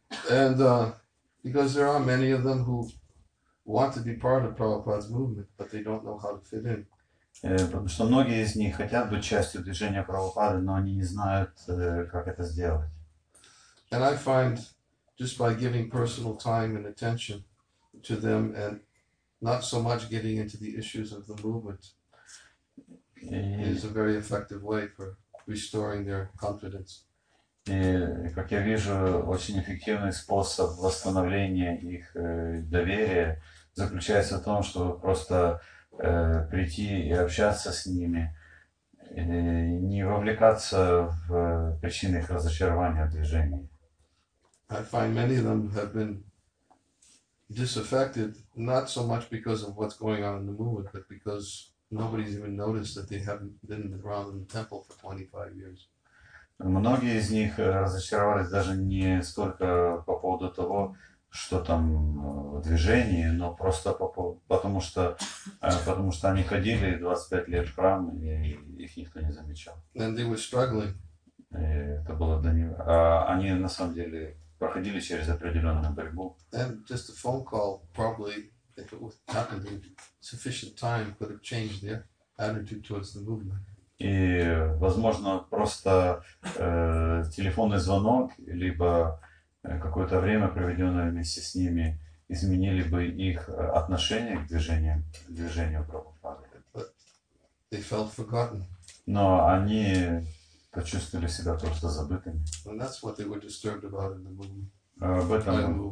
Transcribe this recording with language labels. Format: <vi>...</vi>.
<en>And because there are many of them who want to be part of Prabhupada's movement, but they don't know how to fit in.</en> <ru>Потому что многие из них хотят быть частью движения Прабхупады, но они не знают, как это сделать.</ru> <en>And I find just by giving personal time and attention to them and not so much getting into the issues of the movement is a very effective way for restoring their confidence.</en> <ru>И, как я вижу, очень эффективный способ восстановления их доверия заключается в том, чтобы просто прийти и общаться с ними, не вовлекаться в причины их разочарования в движении.</ru> <en>I find many of them have been disaffected, not so much because of what's going on in the movement, but because nobody's even noticed that they haven't been around in the temple for 25 years.</en> <ru>Многие из них разочаровались даже не столько по поводу того, что там в движении, но просто потому что они ходили 25 лет в храм, и их никто не замечал.</ru> <en>And they were struggling.</en> <ru>Это было для них. А они на самом деле проходили через определенную борьбу.</ru> <en>And just a phone call, probably, if it happened in sufficient time, could have changed their attitude towards the movement.</en> <ru>И, возможно, просто телефонный звонок, либо какое-то время, проведенное вместе с ними, изменили бы их отношение к движению Прабхупады.</ru> <en>They felt forgotten.</en> <ru>Но они почувствовали себя просто забытыми.</ru> <en>And that's what they were disturbed about in the movement.</en>